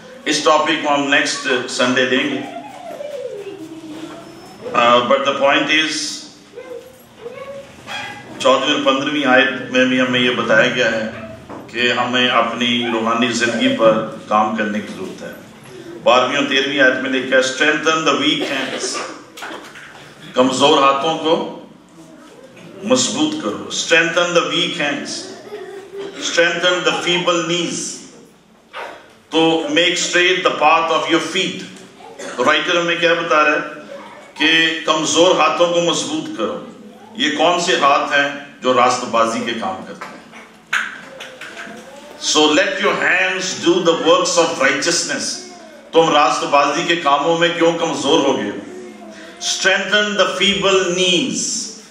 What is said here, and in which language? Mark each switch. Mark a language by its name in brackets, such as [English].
[Urdu] اس topic کو ہم next Sunday دیں گے, [English] but the point is [Urdu] 14-15 آیت میں بھی ہمیں یہ بتایا گیا ہے کہ ہمیں اپنی روحانی زندگی پر کام کرنے کی ضرورت ہے. 12-13 آیت میں لکھا ہے [English] strengthen the weak hands, [Urdu] کمزور ہاتھوں کو مضبوط کرو. [English] Strengthen the weak hands. Strengthen the feeble knees. تو make straight the path of your feet. [Urdu] Writer ہمیں کیا بتا رہا ہے کہ کمزور ہاتھوں کو مضبوط کرو. یہ کون سے ہاتھ ہیں جو راست بازی کے کام کرتے ہیں؟ [English] So let your hands do the works of righteousness. [Urdu] تم راست بازی کے کاموں میں کیوں کمزور ہو گئے؟ [English] Strengthen the feeble knees.